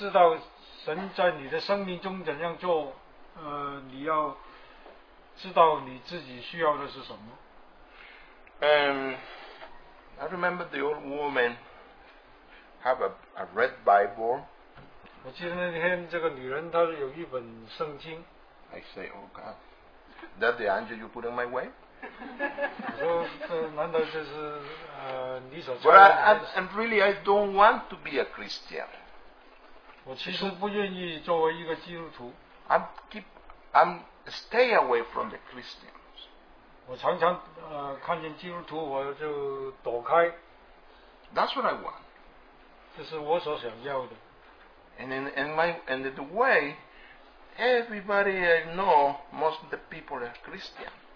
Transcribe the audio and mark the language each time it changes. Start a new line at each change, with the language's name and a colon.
Chinese: 那你要知道神在你的生命中怎样做, 你要知道你自己需要的是什么。
English: I remember the old woman have a red Bible.
Chinese: 我记得那天这个女人她有一本圣经。
English: I say, Oh God, that the angel you put in my way?
Chinese: 我说，难道这是你所教的？
English: But really, I don't want to be a Christian.
Chinese: 我其实不愿意作为一个基督徒。
English: I'm stay away from the Christians.
Chinese: 我常常看见基督徒，我就躲开。
English: That's what I want.
Chinese: 这是我所想要的。
English: And in the way, everybody I know, most of the people are Christian.